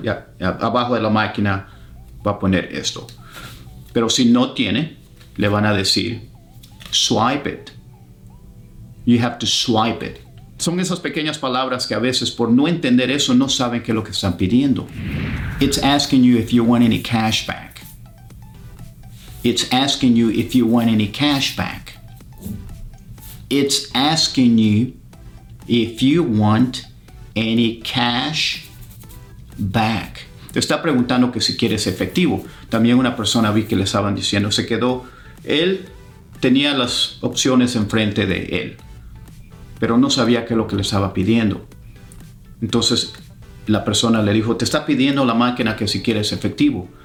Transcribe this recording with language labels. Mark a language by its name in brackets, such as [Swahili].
[Spanish] Yeah, abajo de la máquina va a poner esto. Pero si no tiene, le van a decir, [English] swipe it. You have to swipe it. [Spanish] Son esas pequeñas palabras que a veces por no entender eso no saben qué es lo que están pidiendo. [English] It's asking you if you want any cash back. It's asking you if you want any cash back. It's asking you if you want any cash back. [Spanish] Te está preguntando que si quieres efectivo. También una persona vi que le estaban diciendo, se quedó. Él tenía las opciones enfrente de él, pero no sabía qué es lo que le estaba pidiendo. Entonces la persona le dijo, te está pidiendo la máquina que si quieres efectivo.